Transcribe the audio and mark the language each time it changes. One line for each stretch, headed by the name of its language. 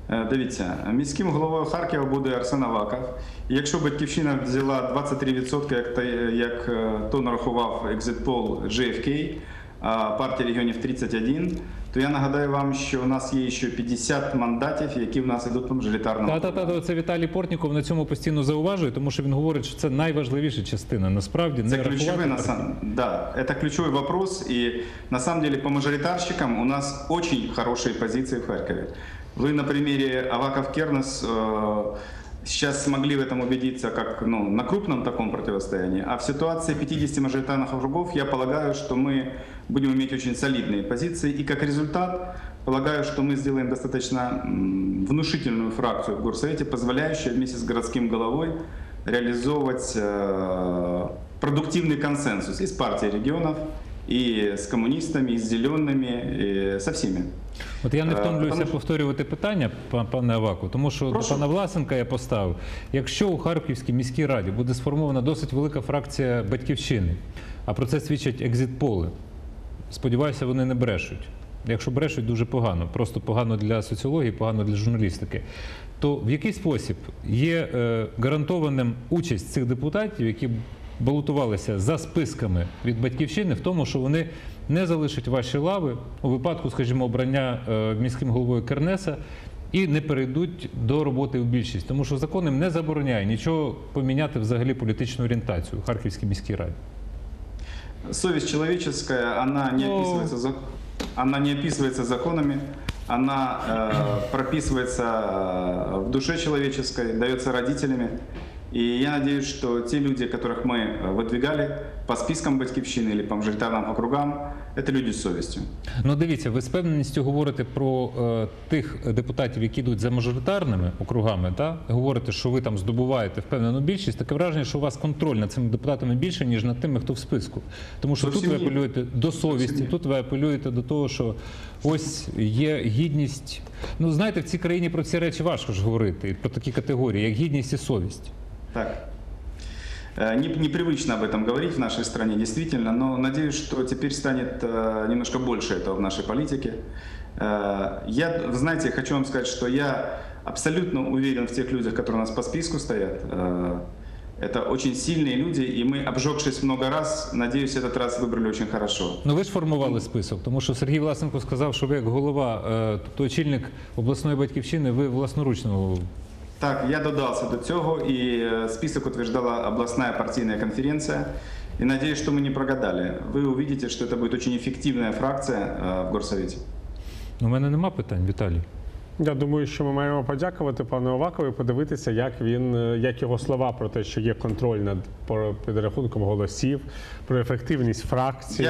Ukrainian: Дивіться, міським головою Харкова буде Арсен Аваков. І якщо «Батьківщина» взяла 23%, як то нарахував екзит-пол GFK, партія регіонів 31, то я нагадаю вам, що в нас є ще 50 мандатів, які в нас йдуть по мажоритарному. Та, це Віталій Портніков на цьому постійно зауважує, тому що він говорить, що це найважливіша частина. Насправді, це ключовий, це ключовий вопрос. І
Russian: на самом деле
Ukrainian: по мажоритарщикам у нас дуже хороші позиції в Харкові. Ви на примірі
Russian: Аваков-Кернес сейчас смогли в этом убедиться, как ну, на крупном таком противостоянии. А в ситуации 50 мажоритарных округов, я полагаю, что мы будем иметь очень солидные позиции. И как результат, полагаю, что мы сделаем достаточно внушительную фракцию в горсовете, позволяющую вместе с городским головой реализовывать продуктивный консенсус из партии регионов, и с коммунистами, и с зелеными, и со всеми.
Ukrainian: От я не втомлююся повторювати питання, пане Аваку, тому що до пана Власенка я поставив. Якщо у Харківській міській раді буде сформована досить велика фракція «Батьківщини», а про це свідчать екзит-поли, сподіваюся, вони не брешуть. Якщо брешуть, дуже погано. Просто погано для соціології, погано для журналістики. То в який спосіб є гарантованим участь цих депутатів, які балотувалися за списками від «Батьківщини», в тому, що вони не залишать ваші лави у випадку, скажімо, обрання міським головою Кернеса і не перейдуть до роботи в більшість. Тому що закон їм не забороняє нічого поміняти взагалі політичну орієнтацію в Харківській міській раді. Совість чоловіча, вона не описується, вона не описується законами, вона прописується в душі чоловічої, дається батьками.
Russian: И я надеюсь, что те люди, которых мы выдвигали по спискам «Батьківщини» или по мажоритарным округам, это люди с совестью.
Ukrainian: Ну, дивіться, ви з певністю говорите про тих депутатів, які йдуть за мажоритарними округами, та? Говорите, що ви там здобуваєте впевнену більшість, таке враження, що у вас контроль над цими депутатами більше, ніж над тими, хто в списку. Тому що тут ви апелюєте до совісті, тут ви апелюєте до того, що ось є гідність. Ну, знаєте, в цій країні про ці речі важко ж говорити, про такі категорії, як гідність і совість. Так.
Russian: Непривычно об этом говорить в нашей стране, действительно, но надеюсь, что теперь станет немножко больше этого в нашей политике. Я, знаете, хочу вам сказать, что я абсолютно уверен в тех людях, которые у нас по списку стоят. Это очень сильные люди, и мы, обжегшись много раз, надеюсь, этот раз выбрали очень хорошо. Но вы же формировали список, потому что Сергей Власенко сказал, что вы, как голова, то очільник областной «Батьківщини», вы власноручно...
Ukrainian: Так, я додався до цього, і список утверждала обласна партійна конференція. І сподіваюся, що ми не прогадали. Ви побачите, що це буде дуже ефективна фракція в горсовіті. У мене нема питань, Віталій. Я думаю, що ми маємо подякувати пану Авакову і подивитися, як він, як його слова про те, що є контроль над підрахунком голосів, про ефективність фракції.